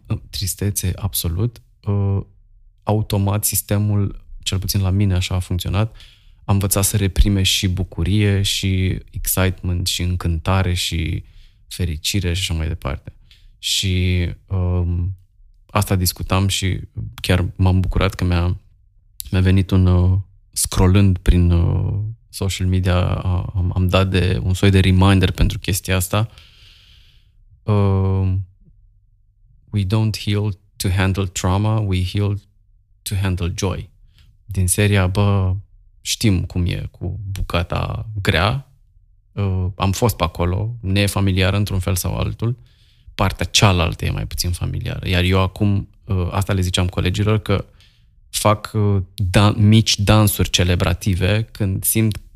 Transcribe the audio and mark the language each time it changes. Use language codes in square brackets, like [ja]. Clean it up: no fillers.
[ro] tristețe, absolut, automat sistemul, cel puțin la mine așa a funcționat, am învățat să reprime și bucurie și excitement și încântare și fericire și așa mai departe. Și asta discutam și chiar m-am bucurat că mi-a venit un, scrollând prin social media, am dat de un soi de reminder pentru chestia asta. [en] We don't heal to handle trauma, we heal to handle joy. [ro] Din seria, bă, știm cum e cu bucata grea, am fost pe acolo, ne e familiară într-un fel sau altul, partea cealaltă e mai puțin familiară. Iar eu acum, asta le ziceam colegilor, că fac mici dansuri celebrative când simt